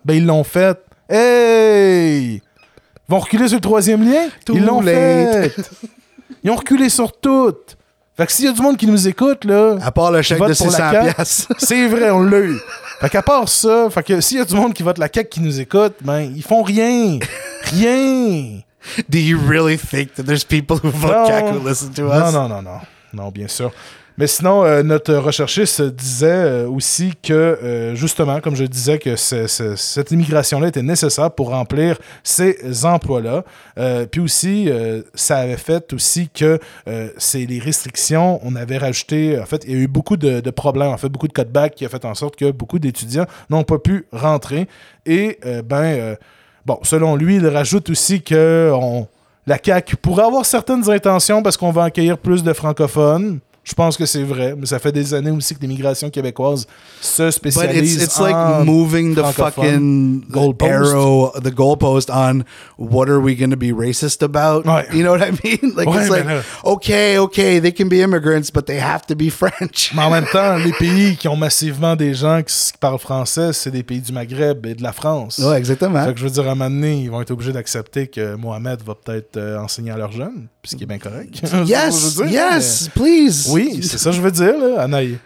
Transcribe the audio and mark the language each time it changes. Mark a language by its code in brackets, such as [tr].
[fr] Ben, ils l'ont fait. Hey! Ils vont reculer sur le troisième lien? Tout ils l'ont fait. Ils ont reculé sur tout. Fait que s'il y a du monde qui nous écoute, là... À part le chèque de 600$. C'est vrai, on l'a eu. Fait qu'à part ça, fait que s'il y a du monde qui vote la CAQ qui nous écoute, ben, ils font rien. Rien! [en] Do you really think that there's people who vote CAQ who listen to us? [fr] Non, non, non, non. Non, bien sûr. Mais sinon, notre recherchiste disait aussi que, justement, comme je disais, que cette immigration-là était nécessaire pour remplir ces emplois-là. Puis aussi, ça avait fait aussi que c'est les restrictions, on avait rajouté... En fait, il y a eu beaucoup de problèmes, en fait, beaucoup de cutbacks qui a fait en sorte que beaucoup d'étudiants n'ont pas pu rentrer. Et, bon, selon lui, il rajoute aussi que la CAQ pourrait avoir certaines intentions parce qu'on va accueillir plus de francophones. Je pense que c'est vrai, mais ça fait des années aussi que l'immigration québécoise se spécialise en francophones. [en] But it's like moving the fucking goalpost on what are we going to be racist about? [fr] Ouais. [en] You know what I mean? Like, [fr] ouais, [en] it's like, okay, they can be immigrants, but they have to be French. [fr] Mais en même temps, les pays qui ont massivement des gens qui parlent français, c'est des pays du Maghreb et de la France. Ouais, exactement. Fait que je veux dire, à un moment donné, ils vont être obligés d'accepter que Mohamed va peut-être enseigner à leurs jeunes, ce qui est bien correct. [en] Yes, please. [fr] Oui, c'est ça que je veux dire, là, Anaï.